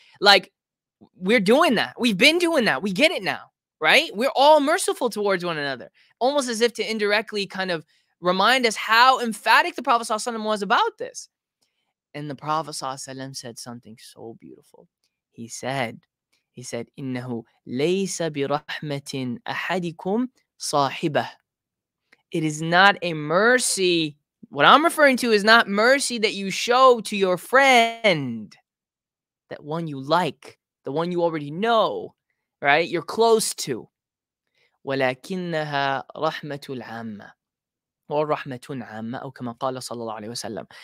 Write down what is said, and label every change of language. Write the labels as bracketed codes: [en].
[en] Like, we're doing that. We've been doing that. We get it now, right? We're all merciful towards one another. Almost as if to indirectly kind of remind us how emphatic the Prophet ﷺ was about this. And the Prophet ﷺ said something so beautiful. He said, [ar] إِنَّهُ لَيْسَ بِرَحْمَةٍ أَحَدِكُمْ صَاحِبَهُ. [en] It is not a mercy. What I'm referring to is not mercy that you show to your friend, that one you like, the one you already know, right? You're close to. [ar] وَلَكِنَّهَا رَحْمَةُ الْعَامَّةِ وَرَحْمَةٌ عَامَّةٌ كَمَا قَالَ صَلَى اللَّهُ عَلَيْهِ وَسَلَّمَ.